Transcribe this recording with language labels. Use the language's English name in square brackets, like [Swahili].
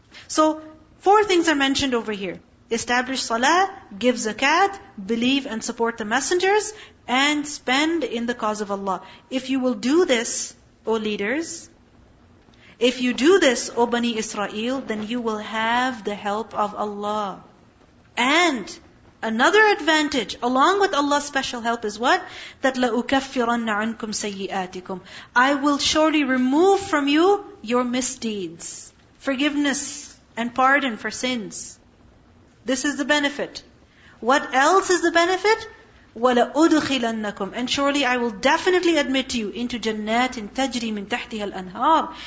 [English] So four things are mentioned over here. Establish salah, give zakat, believe and support the messengers, and spend in the cause of Allah. If you will do this, O leaders, if you do this, O Bani Israel, then you will have the help of Allah. And another advantage, along with Allah's special help, is what? That [Arabic] لَأُكَفِّرَنَّ عَنْكُمْ سَيِّئَاتِكُمْ. [English] I will surely remove from you your misdeeds. Forgiveness and pardon for sins. This is the benefit. What else is the benefit? [Arabic] وَلَأُدْخِلَنَّكُمْ. [English] And surely I will definitely admit you into [Arabic] جَنَّاتٍ تَجْرِي مِنْ تَحْتِهَا الْأَنْهَارِ.